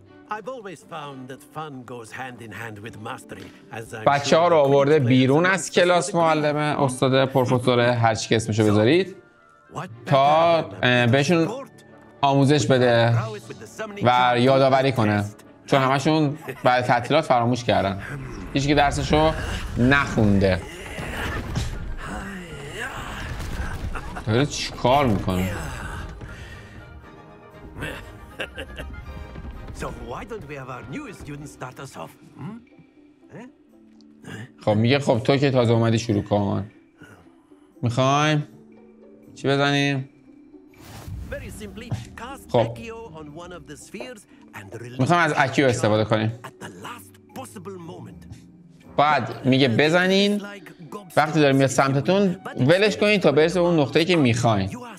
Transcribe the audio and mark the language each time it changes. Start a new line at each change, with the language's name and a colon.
English: I've always found that fun goes hand in hand with mastery.
Persian: بچه‌ها رو آورده بیرون از کلاس معلمه، استاد، پروفسور، هر چی که اسمشو بذارید تا بهشون آموزش بده و یادآوری کنه. چون همشون بعد تعطیلات فراموش کردن. هیچ کی درسشو نخونده. داره چیکار می‌کنه؟
English: So why don't we have our new students start us off?
Persian: خب میگه خب تو که تازه اومدی شروع کن. میخوایم چی بزنیم؟
English: Very simply cast Akio on one of the spheres and release.
Persian: میخوام از اکیو استفاده کنیم.
English: At the last possible moment.
Persian: بعد میگه بزنین وقتی داره میاد سمتتون ولش کنین تا برسه به اون نقطه‌ای که میخواین.